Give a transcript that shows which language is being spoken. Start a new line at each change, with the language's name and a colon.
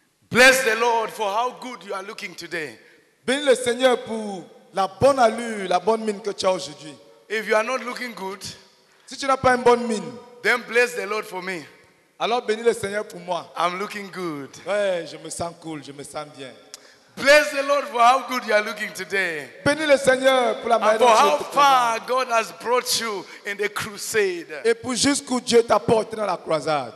English: Bless the Lord for how good you are looking today.
French: Bénis le Seigneur pour la bonne allure, la bonne mine que tu as aujourd'hui.
English: If you are not looking good,
French: si tu n'as pas une bonne mine,
English: then bless the Lord for me.
French: Alors bénis le Seigneur pour moi.
English: I'm looking good.
French: Ouais, je me sens cool, je me sens bien.
English: Bless the Lord for how good you are looking today.
French: Bénis le Seigneur pour la manière dont tu es.
English: And for how far God has brought you in the crusade.
French: Et pour jusqu'où Dieu t'a porté dans la croisade.